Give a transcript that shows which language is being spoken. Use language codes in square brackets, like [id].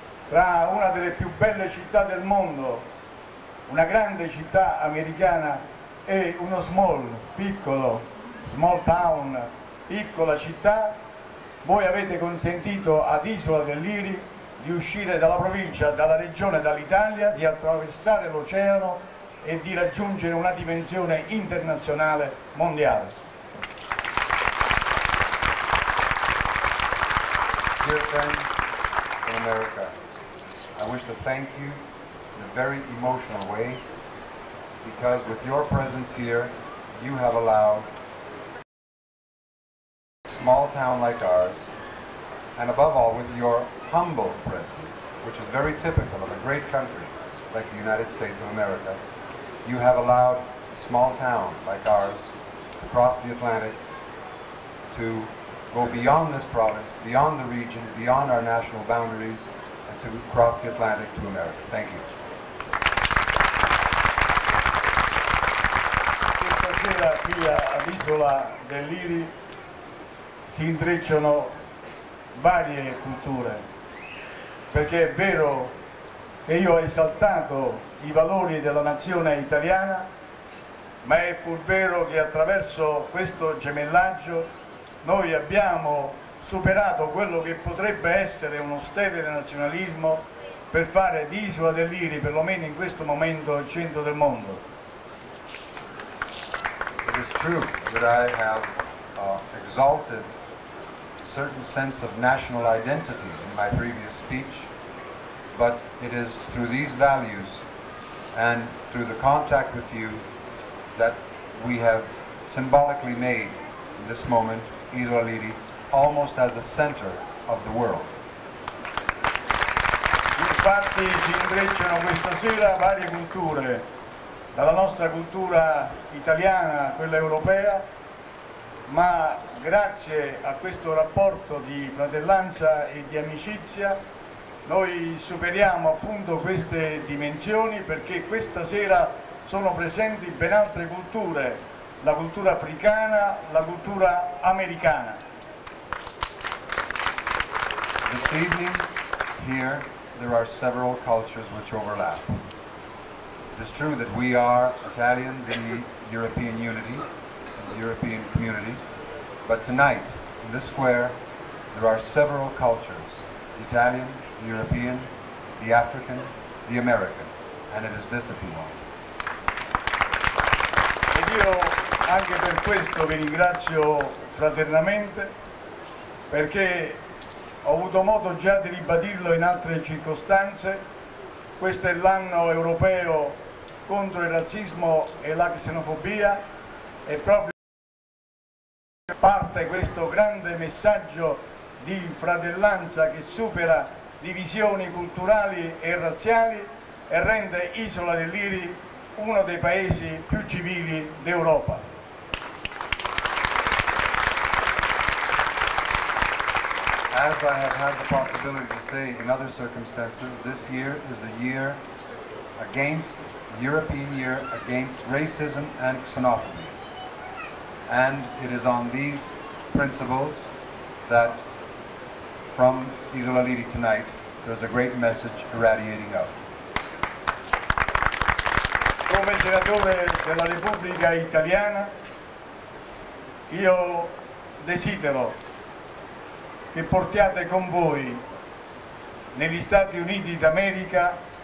[it] tra una delle più belle città del mondo, una grande città americana, e uno [en] small town, [it] piccola città, voi avete consentito ad Isola dell'Iri di uscire dalla provincia, dalla regione, dall'Italia, di attraversare l'oceano e di raggiungere una dimensione internazionale mondiale. [en] Dear friends in America, I wish to thank you in a very emotional way, because with your presence here, you have allowed a small town like ours, and above all with your humble presence, which is very typical of a great country like the United States of America, you have allowed a small town like ours to cross the Atlantic, to go beyond this province, beyond the region, beyond our national boundaries, and to cross the Atlantic to America. Thank you. [it] Questa sera qui all'Isola dell'Iri si intrecciano varie culture, perché è vero che io ho esaltato i valori della nazione italiana, ma è pur vero che attraverso questo gemellaggio noi abbiamo superato quello che potrebbe essere uno sterile nazionalismo per fare di Isola dell'Iri, perlomeno in questo momento, il centro del mondo. [en] It is true that I have exalted a certain sense of national identity in my previous speech, but it is through these values and through the contact with you that we have symbolically made in this moment Isola Liri almost as a center of the world. [it] Infatti si intrecciano questa sera varie culture, dalla nostra cultura italiana a quella europea, ma grazie a questo rapporto di fratellanza e di amicizia noi superiamo appunto queste dimensioni, perché questa sera sono presenti ben altre culture, la cultura africana, la cultura americana. [en] This evening here there are several cultures which overlap. It is true that we are Italians in the European unity, in the European community, but tonight in this square there are several cultures, Italian, the European, the African, the American, and it is this that we want. [it] Ed io anche per questo vi ringrazio fraternamente, perché ho avuto modo già di ribadirlo in altre circostanze. Questo è l'anno europeo contro il razzismo e la xenofobia, e proprio parte questo grande messaggio di fratellanza che supera divisioni culturali e razziali e rende Isola del Liri uno dei paesi più civili d'Europa. [en] As I have had the possibility to say in other circumstances, this year is the year against, European year against racism and xenophobia. And it is on these principles that from Isola Liri tonight, there's a great message irradiating out. [it] Come senatore della Repubblica Italiana, io desidero che portiate con voi negli Stati Uniti d'America